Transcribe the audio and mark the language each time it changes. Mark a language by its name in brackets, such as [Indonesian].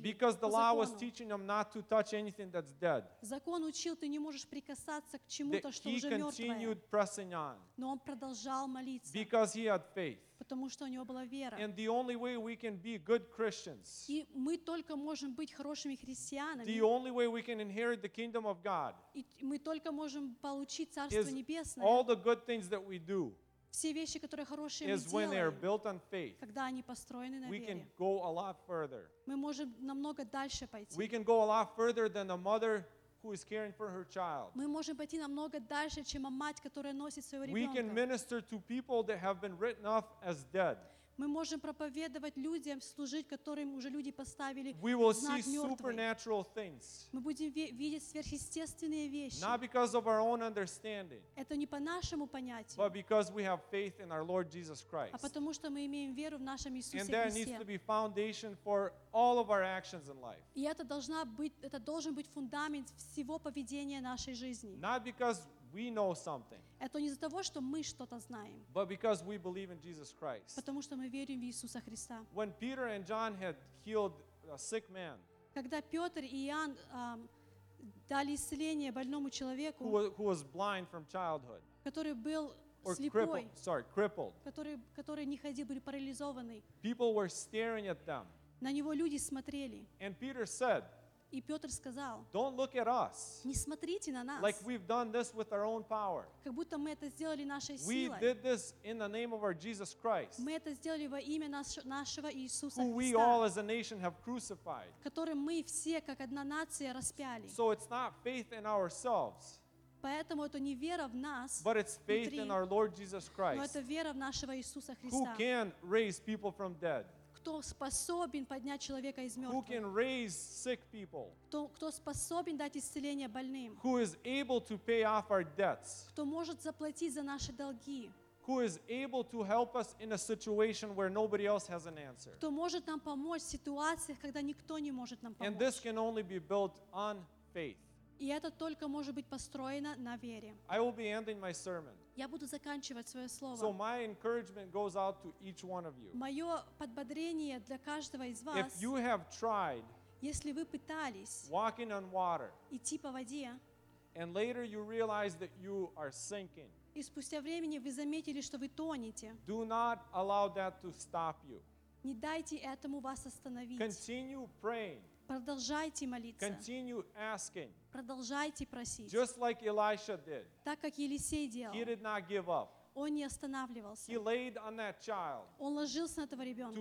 [English] Because the law was teaching him not to touch anything that's dead. [Russian] Закон учил, ты не можешь можешь прикасаться к чему-то, что уже мертвое. Но он продолжал молиться. [English] Because he had faith. [Russian] Потому что у него была вера. [English] And the only way we can be good Christians. [Russian] И мы только можем быть хорошими христианами. [English] The only way we can inherit the kingdom of God. [Russian] И мы только можем получить Царство Небесное. [English] All the good things that we do. [Russian] Все вещи, которые хорошие [English] is when they are built on faith, [Russian] когда они построены на [English] we [Russian] вере, [English] can go a lot further. [Russian] Мы можем намного дальше пойти. [English] We can go a lot further than a mother who is caring for her child. [Russian] Мы можем пойти намного дальше, чем мать, которая носит своего ребенка. [English] We can minister to people that have been written off as dead. [Russian] Мы можем проповедовать людям, служить, которым уже люди поставили [English] we will [Russian] знак [English] see [Russian] мертвый. [English] Supernatural things. [Russian] Мы будем видеть сверхъестественные вещи. [English] Not because of our own understanding. [Russian] Это не по нашему понятию. [English] But because we have faith in our Lord Jesus Christ. [Russian] А потому что мы имеем веру в нашем Иисусе Христе. [English] And that needs to be foundation for all of our actions in life. [Russian] И это должна быть, это должен быть фундамент всего поведения нашей жизни. [English] Not because we know something. [Russian] Это не из-за того, что мы что-то знаем. [English] But because we believe in Jesus Christ. [Russian] Потому что мы верим в Иисуса Христа. [English] When Peter and John had healed a sick man. [Russian] Когда Петр и Иоанн дали исцеление больному человеку. [English] Who was blind from childhood. [Russian] Который был [English] or [Russian] слепой. [English] Crippled. [Russian] Который не ходил, были парализованы. [English] People were staring at them. [Russian] На него люди смотрели. [English] And Peter said. [Russian] И Петр сказал, [English] don't look at us [Russian] не смотрите на нас, [English] like we've done this with our own power. [Russian] Как будто мы это сделали нашей силой. [English] We did this in the name of our Jesus Christ. [Russian] Мы это сделали во имя нашего Иисуса [English] Христа, who we all as a nation have crucified. [Russian] Который мы все как одна нация распяли. [English] So it's not faith in ourselves. [Russian] Поэтому это не вера в нас, [English] but it's faith in our Lord Jesus Christ. [Russian] Но это вера в нашего Иисуса Христа. [English] Who can raise people from dead? [Russian] Кто способен поднять человека из мертвых? [English] Who can raise sick people? [Russian] Кто способен дать исцеление больным? [English] Who is able to pay off our debts? [Russian] Кто может заплатить за наши долги? [English] Who is able to help us in a situation where nobody else has an answer? [Russian] Кто может нам помочь в ситуациях, когда никто не может нам помочь? [English] And this can only be built on faith. [Russian] И это только может быть построено на вере. [English] I will be ending my sermon. [Russian] Я буду заканчивать свое слово. [English] So my encouragement goes out to each one of you. [Russian] Мое подбодрение для каждого из вас. [English] If you have tried, [Russian] если вы пытались [English] walking on water, [Russian] идти по воде, [English] and later you realize that you are sinking, [Russian] и спустя времени вы заметили, что вы тонете, [English] do not allow that to stop you. [Russian] Не дайте этому вас остановить. [English] Continue praying. [Russian] Продолжайте молиться. [English] Continue asking. [Russian] Продолжайте просить. [English] Just like Elisha did. [Russian] Так как Елисей делал. [English] He did not give up. [Russian] Он не останавливался. [English] He laid on that child. [Russian] Он ложился на этого ребенка.